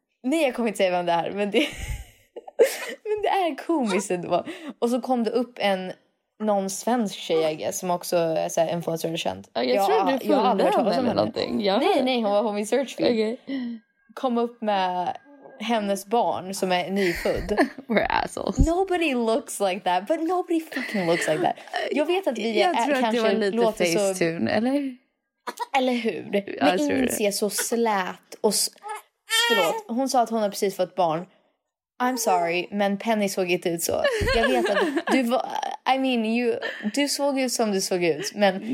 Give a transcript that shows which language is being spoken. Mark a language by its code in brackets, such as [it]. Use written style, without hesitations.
[sv] Nej, jag kommer inte säga vem det är. Men det, men det är komiskt ändå. Och så kom det upp en någon svensk tjej, jag guess, som också är såhär, influencer och känd. Jag tror att du får hört om någonting. Nej, hon var på min search feed. [en] Okay. [sv] Kom upp med hennes barn som är nyfödd. [en] We're assholes. Nobody looks like that, but nobody fucking looks like that. [sv] Jag vet att vi jag tror att kanske det var lite låter facetune, så... eller? Eller hur? Ja, men ingen ser så slät och... Förlåt, hon sa att hon har precis fått barn. [en] I'm sorry, [sv] men Penny såg inte ut så. Jag vet att du var... [en] I mean, [sv] du såg ut som du såg ut, men